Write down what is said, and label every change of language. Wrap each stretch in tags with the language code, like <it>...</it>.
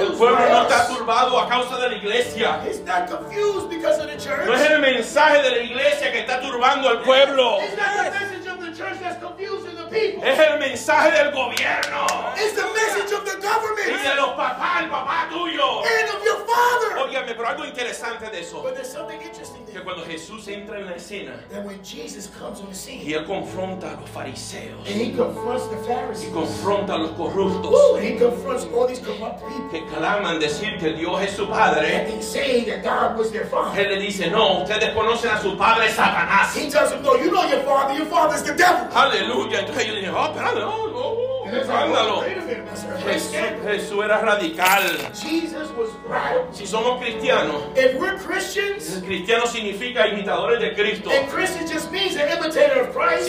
<es>El pueblo no está turbado a causa de la iglesia.</es> <en>It's not confused because of the church.</en> <es>No es el mensaje de la iglesia que está turbando al pueblo.</es> <en>It's not the message of the church that's confusing the people.</en> <es>Es el mensaje del gobierno.</es> <en>It's the message of the government.</en> <es>Y de los papás, el papá tuyo.</es> <en>And of your father.</en> <es>Óyeme, pero algo interesante de eso.</es> <en>But there's something interesting.</en> <es>Que cuando Jesús entra en la escena,</es> <en>that when Jesus comes on the scene,</en> <es>y él confronta a los fariseos,</es> <en>and he confronts the Pharisees,</en> <es>y confronta a los corruptos,</es> <en>and he confronts all these corrupt people,</en> <es>que claman decir que Dios es su padre,</es> <en>and they say that God was their father.</en> <es>Él le dice, no, ustedes conocen a su padre Satanás.</es> <en>He tells them, no, you know your father is the devil.</en> <es>Aleluya. Entonces yo le dije, oh, espérate, no, no. Jesús era radical.</es> <en>Jesus was radical.</en> <es>Si somos cristianos,</es> <en>if we're Christians,</en> <es>cristiano significa imitadores de Cristo.</es> <en>And Christian just means an imitator of Christ.</en>